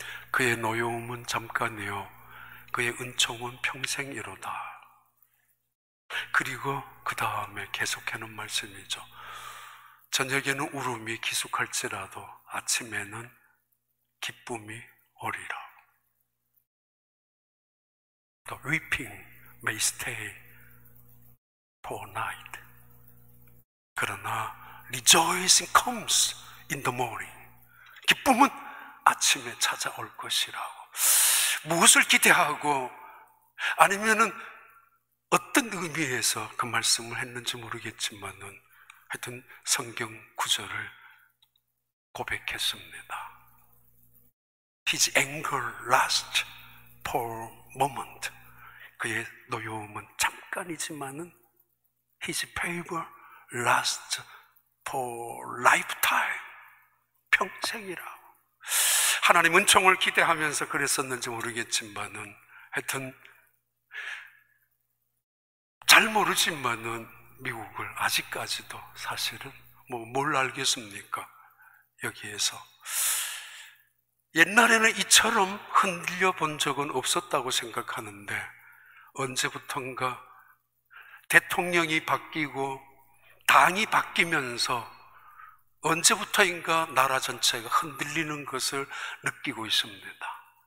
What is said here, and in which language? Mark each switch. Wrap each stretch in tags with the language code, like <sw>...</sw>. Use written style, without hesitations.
<ko>그의 노여움은 잠깐이요 그의 은총은 평생이로다. 그리고 그 다음에 계속하는 말씀이죠. 저녁에는 울음이 기숙할지라도 아침에는 기쁨이 오리라.</ko> <en>The weeping may stay for night.</en> <ko>그러나</ko> <en>rejoicing comes in the morning.</en> <ko>기쁨은 아침에 찾아올 것이라고. 무엇을 기대하고 아니면은 어떤 의미에서 그 말씀을 했는지 모르겠지만은 하여튼 성경 구절을 고백했습니다.</ko> <en>His anger lasts for a moment.</en> <ko>그의 노여움은 잠깐이지만은</ko> <en>His favor lasts for lifetime.</en> <ko>평생이라고. 하나님 은총을 기대하면서 그랬었는지 모르겠지만은 하여튼 잘 모르지만은 미국을 아직까지도 사실은 뭐 뭘 알겠습니까? 여기에서 옛날에는 이처럼 흔들려 본 적은 없었다고 생각하는데 언제부턴가 대통령이 바뀌고 당이 바뀌면서 언제부터인가 나라 전체가 흔들리는 것을 느끼고 있습니다.</ko>